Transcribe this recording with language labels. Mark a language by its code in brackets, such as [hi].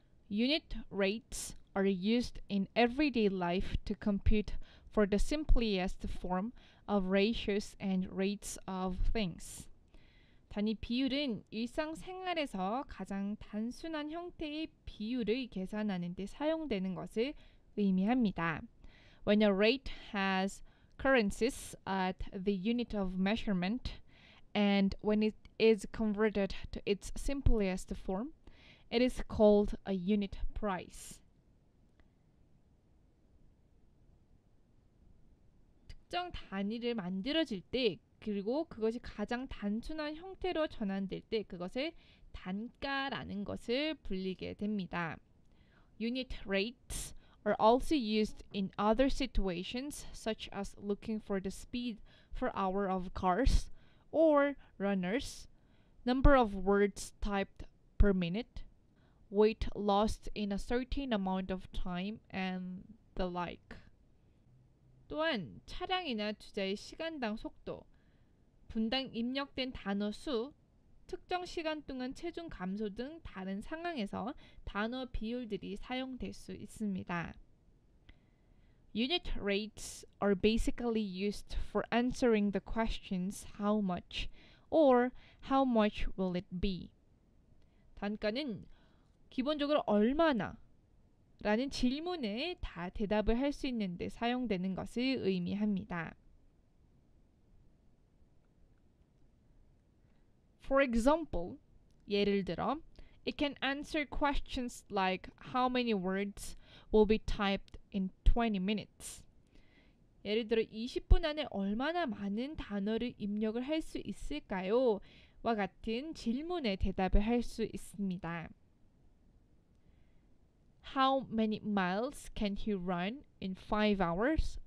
[en] 유닛 레이트스 are used in everyday life to compute for the simplest form of ratios and rates of things. [ko] 단위 비율은 일상생활에서 가장 단순한 형태의 비율을 계산하는 데 사용되는 것을 의미합니다. [en] When a rate has currencies at the unit of measurement and when it is converted to its simplest form, it is called a unit price. [ko] 특정 단위를 만들어질 때 그리고 그것이 가장 단순한 형태로 전환될 때 그것을 단가라는 것을 불리게 됩니다. [en] Unit rates are also used in other situations such as looking for the speed per hour of cars or runners, number of words typed per minute, weight lost in a certain amount of time and the like. [ko] 또한 차량이나 주자의 시간당 속도, 분당 입력된 단어 수, 특정 시간 동안 체중 감소 등 다른 상황에서 단어 비율들이 사용될 수 있습니다. [en] Unit rates are basically used for answering the questions how much or how much will it be? [ko] 단가는 기본적으로 얼마나? 라는 질문에 다 대답을 할 수 있는데 사용되는 것을 의미합니다. [en] For example, [ko] 예를 들어, [en] it can answer questions like how many words will be typed in 20 minutes. [ko] 예를 들어, 20분 안에 얼마나 많은 단어를 입력을 할 수 있을까요? 와 같은 질문에 대답을 할 수 있습니다. [en] How many miles can he run in 5 hours?